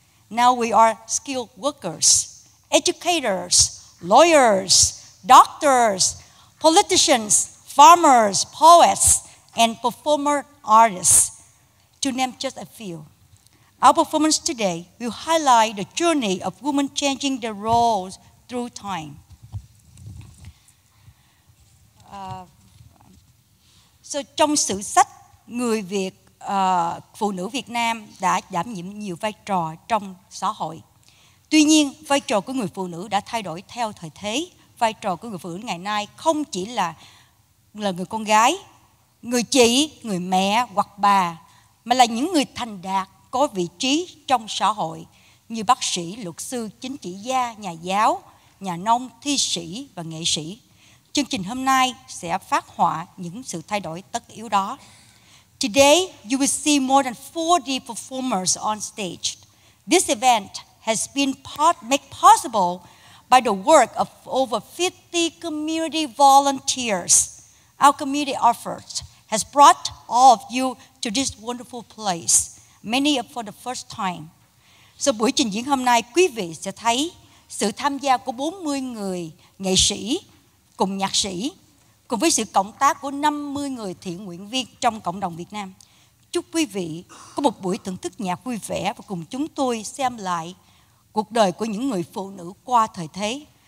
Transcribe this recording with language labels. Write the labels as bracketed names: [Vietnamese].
[English] Now we are skilled workers, educators, lawyers, doctors, politicians, farmers, poets, and performer artists, to name just a few. Our performance today will highlight the journey of women changing their roles through time. [Vietnamese] So, trong sử sách người Việt, phụ nữ Việt Nam đã đảm nhiệm nhiều vai trò trong xã hội. Tuy nhiên, vai trò của người phụ nữ đã thay đổi theo thời thế. Vai trò của người phụ nữ ngày nay không chỉ là người con gái, người chị, người mẹ hoặc bà, mà là những người thành đạt có vị trí trong xã hội như bác sĩ, luật sư, chính trị gia, nhà giáo, nhà nông, thi sĩ và nghệ sĩ. Chương trình hôm nay sẽ phát họa những sự thay đổi tất yếu đó. [English] Today, you will see more than 40 performers on stage. This event has been made possible by the work of over 50 community volunteers. Our community effort has brought all of you to this wonderful place, many for the first time. [Vietnamese] So, buổi trình diễn hôm nay, quý vị sẽ thấy sự tham gia của 40 người nghệ sĩ cùng nhạc sĩ, cùng với sự cộng tác của 50 người thiện nguyện viên trong cộng đồng Việt Nam. Chúc quý vị có một buổi thưởng thức nhạc vui vẻ và cùng chúng tôi xem lại cuộc đời của những người phụ nữ qua thời thế.